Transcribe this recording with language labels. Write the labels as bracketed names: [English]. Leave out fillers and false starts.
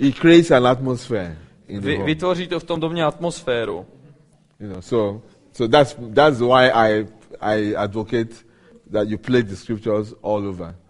[English] It creates an atmosphere in the home. [Czech] Vytvoří to v tom domě atmosféru. [English] You know, so that's why I advocate that you play the scriptures all over.